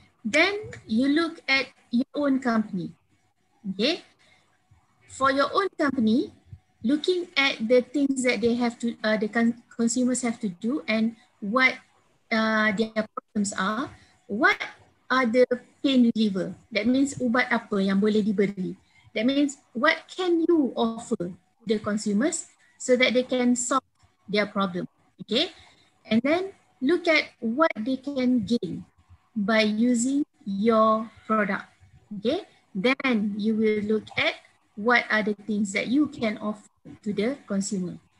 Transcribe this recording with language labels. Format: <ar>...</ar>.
<en>Then you look at your own company, okay? For your own company, looking at the things that they have to, the consumers have to do, and what their problems are, what are the pain reliever. That means</en> <ms>ubat apa yang boleh diberi.</ms> <en>That means what can you offer the consumers so that they can solve their problem, okay? And then look at what they can gain by using your product, okay? Then you will look at what are the things that you can offer to the consumer.</en>